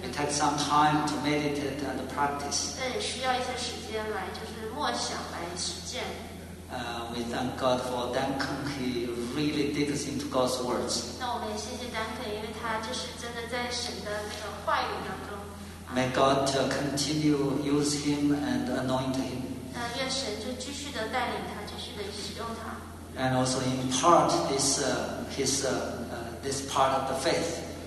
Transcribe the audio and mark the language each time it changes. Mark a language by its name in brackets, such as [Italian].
[English] it takes some time to meditate and practice. [Chinese] 但也需要一些时间来，就是默想来实践。 [English] We thank God for Duncan. He really digs into God's words. [Chinese] 那我们也谢谢 Duncan， 因为他就是真的在神的那个话语当中。 [English] May God continue use him and anoint him. [Chinese] 那愿神就继续的带领他，继续的使用他。 [English] And also impart this this part of the faith.